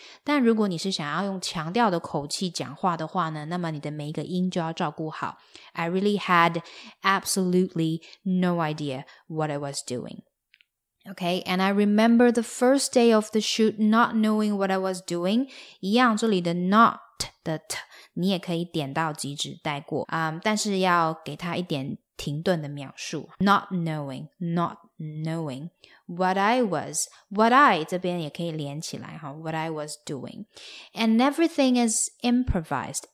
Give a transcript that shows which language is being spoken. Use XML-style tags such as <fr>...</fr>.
<zh>但如果你是想要用强调的口气讲话的话呢，那么你的每一个音就要照顾好。</zh> <en>I really had absolutely no idea what I was doingOkay, and I remember the first day of the shoot not knowing what I was doing.</en> <zh>一样，这里的 not 的 t 你也可以点到极致带过，但是要给他一点停顿的描述。</zh> <en>Not knowing what I</en> <zh>这边也可以连起来哈</zh> <en>，what I was doing, and everything is improvised.</en>